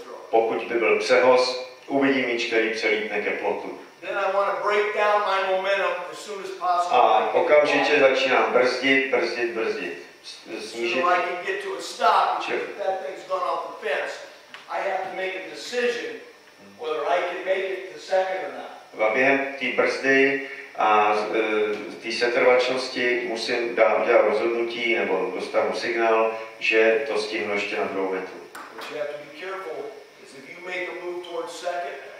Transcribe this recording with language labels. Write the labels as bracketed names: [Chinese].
[Czech] Pokud by byl přehoz, uvidím míč, který přelítne ke plotu. [English] Then I want to break down my momentum as soon as possible. [Czech] A okamžitě začínám brzdit. Snížit. [English] So I can get to a stop. If that thing's gone off the fence, I have to make a decision whether I can make it to second or not. [Czech] A během té brzdy a té setrvačnosti musím dát rozhodnutí nebo dostanu signál, že to stihnu ještě na druhou metu. [English] You have to be careful, is if you make a move towards second.